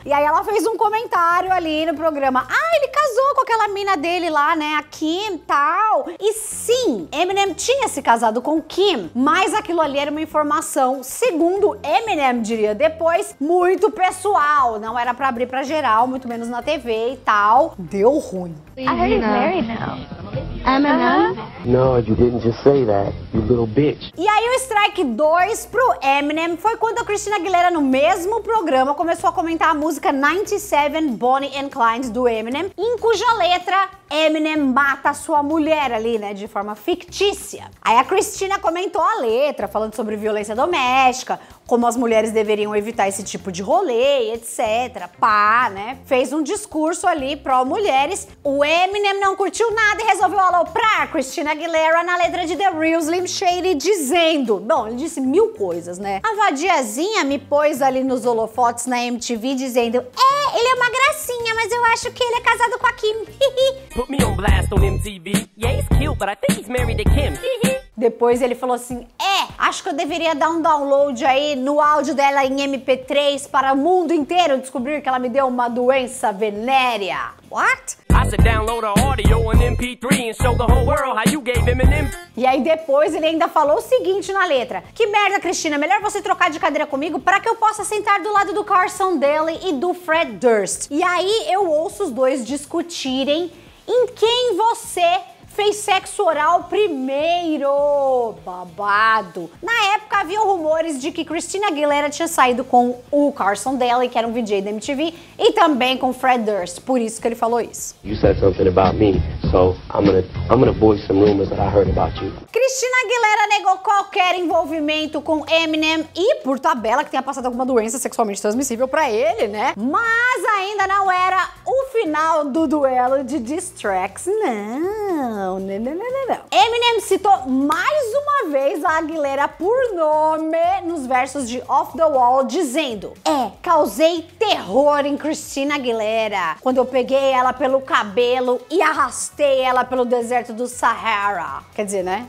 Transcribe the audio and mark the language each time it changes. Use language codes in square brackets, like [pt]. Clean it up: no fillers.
[pt] E aí ela fez um comentário ali no programa: ah, ele casou com aquela mina dele lá, né, a Kim e tal. E sim, Eminem tinha se casado com Kim, mas aquilo ali era uma informação, segundo Eminem diria depois, muito pessoal. Não era pra abrir pra geral, muito menos na TV e tal. Deu ruim. [en] I heard he's married now. Eminem? No, you didn't just say that, you little bitch. [pt] E aí o strike 2 pro Eminem foi quando a Christina Aguilera, no mesmo programa, começou a comentar a música 97 Bonnie and Clyde do Eminem, em cuja letra Eminem mata a sua mulher ali, né, de forma fictícia. Aí a Christina comentou a letra, falando sobre violência doméstica, como as mulheres deveriam evitar esse tipo de rolê, etc. Pá, né? Fez um discurso ali pró-mulheres. O Eminem não curtiu nada e resolveu aloprar a Christina Aguilera na letra de The Real Slim Shady, dizendo... Bom, ele disse mil coisas, né? A vadiazinha me pôs ali nos holofotes na MTV dizendo: é, ele é uma gracinha, mas eu acho que ele é casado com a Kim. [en] Put me on blast on MTV. Yeah, he's cute, but I think he's married to Kim. [pt] Depois ele falou assim: é, acho que eu deveria dar um download aí no áudio dela em MP3 para o mundo inteiro descobrir que ela me deu uma doença venérea. [en] What? I said download her audio on MP3 and show the whole world how you gave Eminem. [pt] E aí depois ele ainda falou o seguinte na letra: que merda, Christina, melhor você trocar de cadeira comigo para que eu possa sentar do lado do Carson Daly e do Fred Durst. E aí eu ouço os dois discutirem em quem você fez sexo oral primeiro. Babado. Na época havia rumores de que Christina Aguilera tinha saído com o Carson Daly, que era um DJ da MTV, e também com Fred Durst. Por isso que ele falou isso. [en] You said something about me, so I'm gonna voice some rumors that I heard about you. [pt] Christina Aguilera negou qualquer envolvimento com Eminem e por tabela que tenha passado alguma doença sexualmente transmissível pra ele, né? Mas ainda não era o final do duelo de diss tracks, não. Eminem citou mais uma vez a Aguilera por nome nos versos de Off The Wall, dizendo: é, causei terror em Christina Aguilera quando eu peguei ela pelo cabelo e arrastei ela pelo deserto do Sahara. Quer dizer, né?